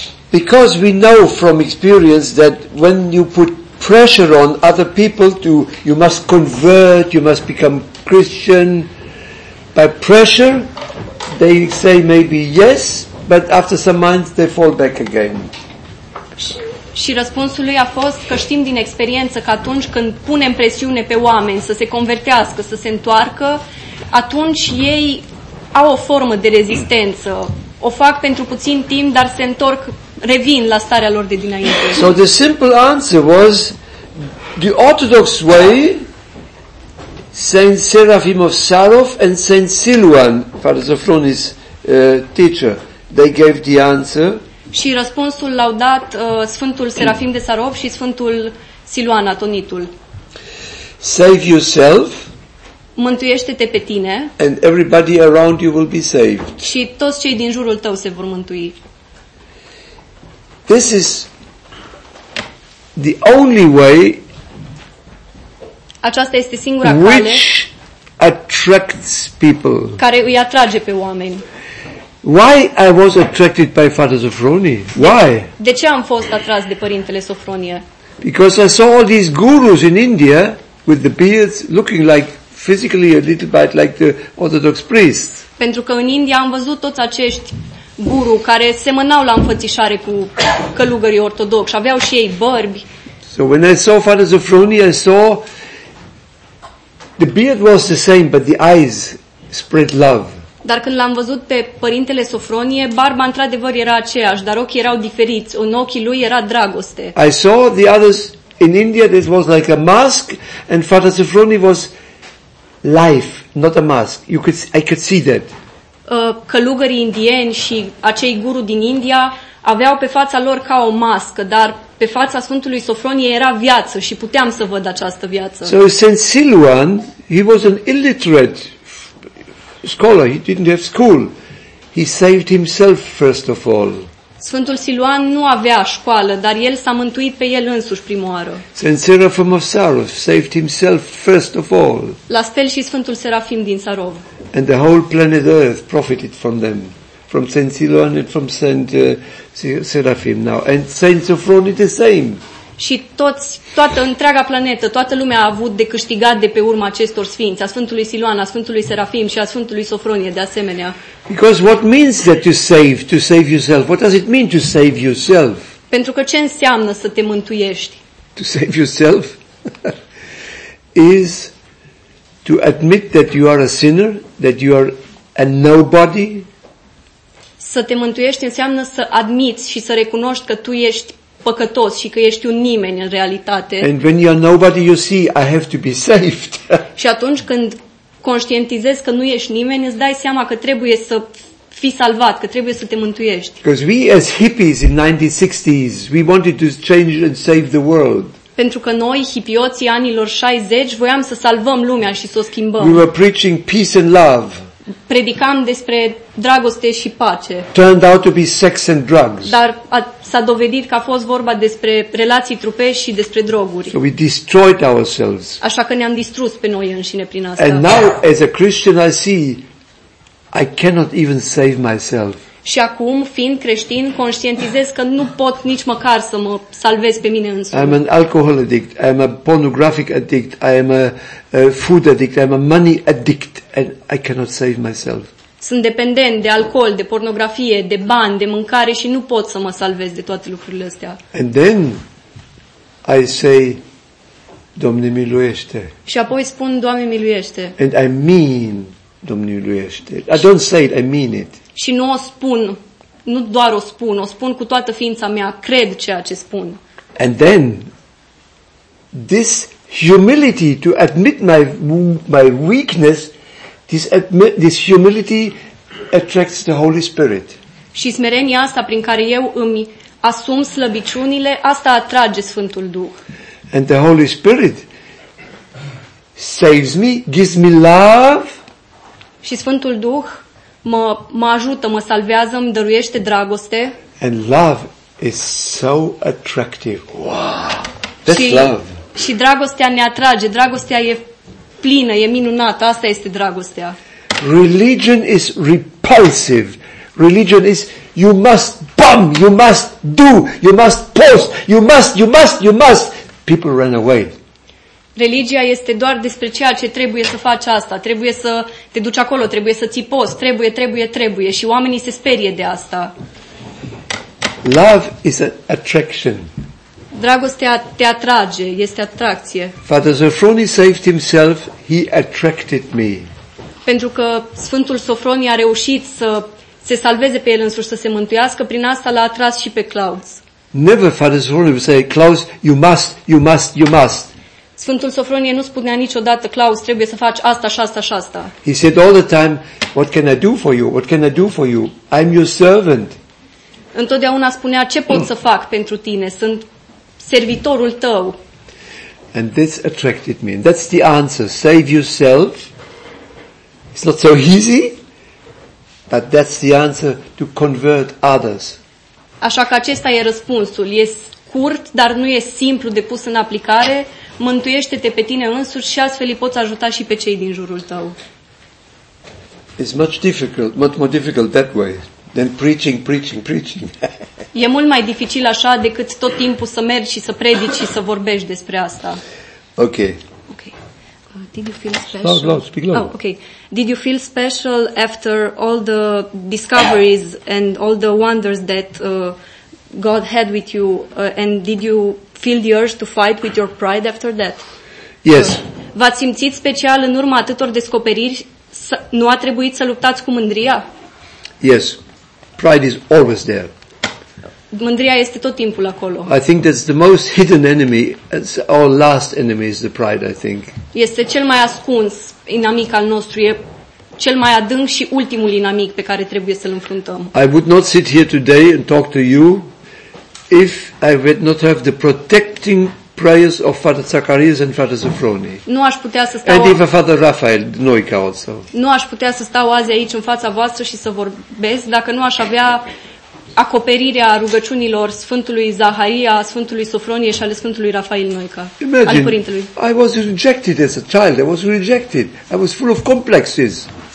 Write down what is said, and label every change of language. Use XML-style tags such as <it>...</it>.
<en>Because we know from experience that when you put pressure on other people to, you must convert, you must become Christian, by pressure, they say maybe yes, but after some months they fall back again.</en> <ro>Și răspunsul lui a fost că știm din experiență că atunci când punem presiune pe oameni să se convertească, să se întoarcă, atunci ei au o formă de rezistență. O fac pentru puțin timp, dar se întorc, revin la starea lor de dinainte.</ro> <en>So the simple answer was the Orthodox way, Saint Seraphim of Sarov and Saint Silwan, Father Sofroni's teacher, they gave the answer.</en> <ro>Și răspunsul l-au dat Sfântul Serafim de Sarov și Sfântul Siluan Atonitul.</ro> <en>Save yourself.</en> <ro>Mântuiește-te pe tine.</ro> <en>And everybody around you will be saved.</en> <ro>Și toți cei din jurul tău se vor mântui.</ro> <en>This is the only way.</en> <ro>Aceasta este singura cale.</ro> <en>Which attracts people.</en> <ro>Care îi atrage pe oameni.</ro> <en>Why I was attracted by Father Sofroni? Why?</en> <ro>De ce am fost atras de părintele Sofronie?</ro> <en>Because I saw all these gurus in India with the beards looking like physically a little bit like the Orthodox priests.</en> <ro>Pentru că în India am văzut toți acești guru care semănau la înfățișare cu călugării ortodoxi, aveau și ei bărbi.</ro> <en>So when I saw Father Sofroni, I saw the beard was the same but the eyes spread love.</en> <ro>Dar când l-am văzut pe părintele Sofronie, barba într-adevăr era aceeași, dar ochii erau diferiți. În ochii lui era dragoste.</ro> <en>I saw the others in India, this was like a mask, and Father Sofroni was life, not a mask. I could see that.</en> <ro>Călugării indieni și acei guru din India aveau pe fața lor ca o mască, dar pe fața Sfântului Sofronie era viață și puteam să văd această viață.</ro> <en>So Saint Silwan, he was an illiterate scholar, he didn't have school. He saved himself first of all.</en> <ro>Sfântul Siluan nu avea școală, dar el s-a mântuit pe el însuși prima oară.</ro> <en>Saint Seraphim of Sarov saved himself first of all.</en> <ro>La fel și Sfântul Serafim din Sarov.</ro> <en>And the whole planet Earth profited from them, from Saint Siluan and from Saint Seraphim now. And Saint Sofroni the same.</en> <ro>Și toată întreaga planetă, toată lumea a avut de câștigat de pe urma acestor sfinți, a Sfântului Siluan, a Sfântului Serafim și a Sfântului Sofronie de asemenea.</ro> <en>Because what means that to save yourself? What does it mean to save yourself?</en> <ro>Pentru că ce înseamnă să te mântuiești?</ro> <en>To save yourself is to admit that you are a sinner, that you are a nobody.</en> <ro>Să te mântuiești înseamnă să admiți și să recunoști că tu ești păcătos și că ești un nimeni în realitate.</ro> <en>And when you're nobody, you see I have to be saved.</en> <ro>Și atunci când conștientizezi că nu ești nimeni, îți dai seama că trebuie să fii salvat, că trebuie să te mântuiești.</ro> <en>Because we as hippies in 1960s, we wanted to change and save the world.</en> <ro>Pentru că noi hipioții anilor 60 voiam să salvăm lumea și să o schimbăm.</ro> <en>We were preaching peace and love.</en> <ro>Predicam despre dragoste și pace.</ro> <en>Turned out to be sex and drugs.</en> <ro>Dar s-a dovedit că a fost vorba despre relații trupești și despre droguri.</ro> <en>So we destroyed ourselves.</en> <ro>Așa că ne-am distrus pe noi înșine prin asta.</ro> <en>And now as a Christian I see I cannot even save myself.</en> <ro>Și acum, fiind creștin, conștientizez că nu pot nici măcar să mă salvez pe mine însumi.</ro> <en>I'm an alcohol addict, I'm a pornographic addict, I'm a food addict, I'm a money addict and I cannot save myself.</en> <ro>Sunt dependent de alcool, de pornografie, de bani, de mâncare și nu pot să mă salvez de toate lucrurile astea.</ro> <en>And then I say,</en> <ro>Doamne miluiește. Și apoi spun, Doamne miluiește.</ro> <en>And I mean,</en> <ro>Doamne miluiește.</ro> <en>I don't say it, I mean it.</en> <ro>Și nu o spun, nu doar o spun, o spun cu toată ființa mea, cred ceea ce spun.</ro> <en>And then this humility to admit my weakness, this humility attracts the Holy Spirit.</en> <ro>Și smerenia asta prin care eu îmi asum slăbiciunile, asta atrage Sfântul Duh.</ro> <en>And the Holy Spirit saves me, gives me love.</en> <ro>Și Sfântul Duh mă ajută, mă salvează, îmi dăruiește dragoste.</ro> <en>And love is so attractive. Wow. That's love.</en> <ro>Și dragostea ne atrage, dragostea e plină, e minunată, asta este dragostea.</ro> <en>Religion is repulsive. Religion is you must bomb, you must do, you must post, you must, you must, you must. People run away.</en> <ro>Religia este doar despre ceea ce trebuie să faci asta, trebuie să te duci acolo, trebuie să ții post, trebuie, trebuie, trebuie și oamenii se sperie de asta.</ro> <en>Love is an attraction.</en> <ro>Dragostea te atrage, este atracție.</ro> <en>Father Sofroni saved himself, he attracted me.</en> <ro>pentru că Sfântul Sofronie a reușit să se salveze pe el însuși, să se mântuiască, prin asta l-a atras și pe Claus.</ro> <en>Never Father Sofronie would say, Claus, you must, you must, you must.</en> <ro>Sfântul Sofronie nu spunea niciodată, Claus, trebuie să faci asta și asta și asta.</ro> <en>He said all the time, what can I do for you? What can I do for you? I'm your servant.</en> <ro>Întotdeauna spunea, ce pot să fac pentru tine? Sunt servitorul tău.</ro> <en>And this attracted me. That's the answer. Save yourself. It's not so easy. But that's the answer to convert others.</en> <ro>Așa că acesta e răspunsul. E scurt, dar nu e simplu de pus în aplicare. Mântuiește-te pe tine însuți și astfel îi poți ajuta și pe cei din jurul tău.</ro> <en>It's much difficult, much more difficult that way than preaching, preaching, preaching.</en> <ro>E mult mai dificil așa decât tot timpul să mergi și să predici și să vorbești despre asta.</ro> <en>Okay. Okay. Did you feel special? Loud, loud, speak loud. Oh, okay. Did you feel special after all the discoveries and all the wonders that God had with you, and did you feel the urge to fight with your pride after that? Yes.</en> <ro>V-ați simțit special în urma atâtor descoperiri? Nu a trebuit să luptați cu mândria?</ro> <en>Yes. Pride is always there.</en> <ro>Mândria este tot timpul acolo.</ro> <en>I think that's the most hidden enemy, it's our last enemy is the pride, I think.</en> <ro>Este cel mai ascuns inamic al nostru, e cel mai adânc și ultimul inamic pe care trebuie să-l înfruntăm.</ro> <en>I would not sit here today and talk to you if I would not have the protecting prayers of Father Zacharias and Father Sofronie.</en> <ro>Nu aș putea să stau.</ro> <en>And even Father Raphael Noica also.</en> <ro>Nu aș putea să stau azi aici în fața voastră și să vorbesc dacă nu aș avea acoperirea rugăciunilor Sfântului Zaharia, Sfântului Sofronie și ale Sfântului Rafael Noica.</ro> <en>Imagine,</en> <ro>al părintelui.</ro> <en>I was rejected as a child. I was rejected. I was full of complexes.</en>